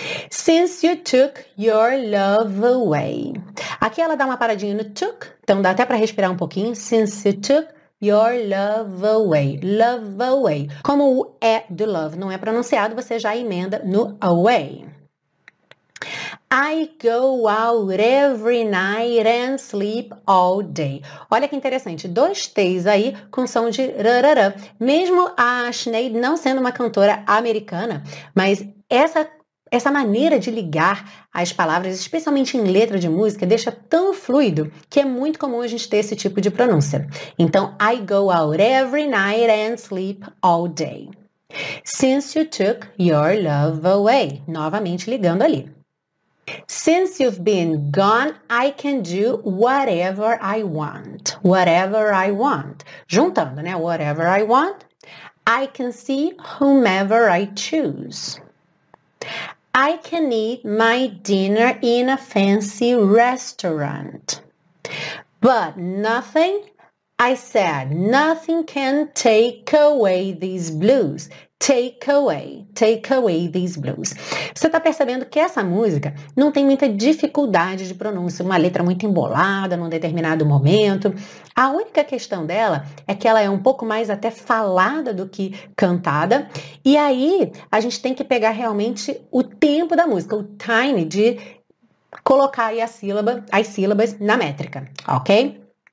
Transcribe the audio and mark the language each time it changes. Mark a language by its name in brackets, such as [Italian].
[English] Since you took your love away. [Portuguese] Aqui ela dá uma paradinha no took, então dá até para respirar um pouquinho. [English] Since you took your love away. Love away. [Portuguese] Como o E do love não é pronunciado, você já emenda no away. [English] I go out every night and sleep all day. [Portuguese] Olha que interessante, dois T's aí com som de rarará. Mesmo a Sinead não sendo uma cantora americana, mas essa maneira de ligar as palavras, especialmente em letra de música, deixa tão fluido que é muito comum a gente ter esse tipo de pronúncia. Então, [English] I go out every night and sleep all day. Since you took your love away. [Portuguese] Novamente ligando ali. [English] Since you've been gone, I can do whatever I want. Whatever I want. [Portuguese] Juntando, né? [English] Whatever I want. I can see whomever I choose. I can eat my dinner in a fancy restaurant. But nothing, I said, nothing can take away these blues. Take away these blues. [Portuguese] Você tá percebendo que essa música não tem muita dificuldade de pronúncia, uma letra muito embolada num determinado momento. A única questão dela é que ela é um pouco mais até falada do que cantada. E aí, a gente tem que pegar realmente o tempo da música, o time de colocar aí a sílaba, as sílabas na métrica, ok?